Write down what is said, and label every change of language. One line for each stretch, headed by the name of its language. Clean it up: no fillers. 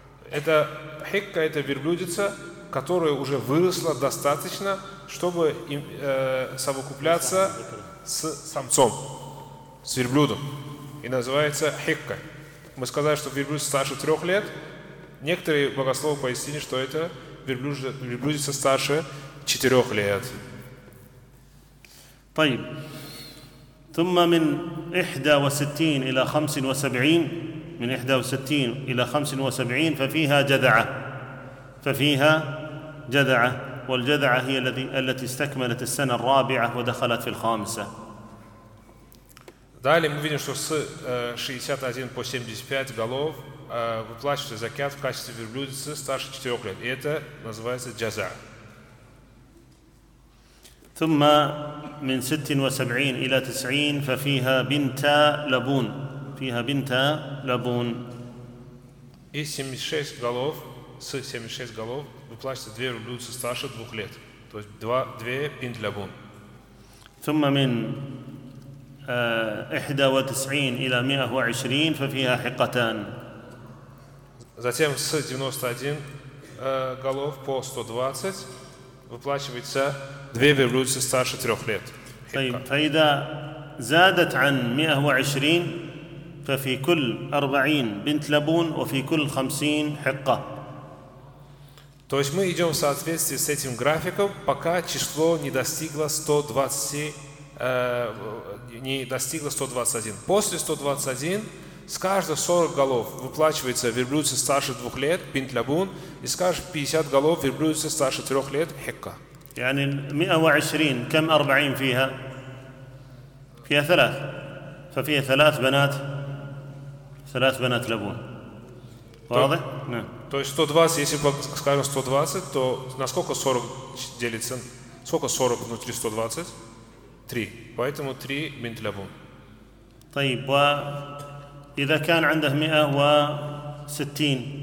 Russian: Это хикка, это верблюдица, которая уже выросла достаточно, чтобы совокупляться с самцом. С верблюдом. И называется хикка. Мы сказали, что верблюдец старше 3 лет. Некоторые богословы пояснили, что это верблюдец старше 4 лет.
Arabic: طيب. ثم من 61 إلى 75، من 61 إلى 75 ففيها جذعة. ففيها جذعة، والجذعة هي التي استكملت السنة الرابعة ودخلت في الخامسة.
Russian: Далее мы видим, что с 61 по 75 голов выплачивается закят в качестве верблюдицы старше 4 лет. И это называется джаза.
Arabic: ثم من 76 إلى 90 ففيها بنت لبون. فيها بنت لبون.
Russian: И 76 голов, с 76 голов выплачивается 2 верблюдицы старше 2 лет. То есть 2 бинт лабун.
Arabic: ثم من 91 إلى 120 ففيها حقتان.
Russian: Затем с 91 голов по 120 выплачивается 2 верблюдицы старше 3 лет.
Arabic: طيب، فإذا زادت عن 120 ففي كل 40 بنت لبون وفي كل 50 حقة. تو
Russian: То есть мы идем в соответствии с этим графиком, пока число не достигло 121. После 121 с каждых 40 голов выплачивается верблюдце старше 2 лет, пинтлябун, и с каждых 50 голов верблюдце старше 3 лет, хекка.
Arabic: يعني 120 كم 40 فيها؟ فيها ثلاث، ففيها ثلاث بنات لبون. واضح؟ نعم.
Russian: То есть 120, если скажем 120, то на сколько 40 делится? Сколько 40 внутри 120? 3. Поэтому 3 бинт лабун.
Arabic: طيب و إذا كان عنده 160.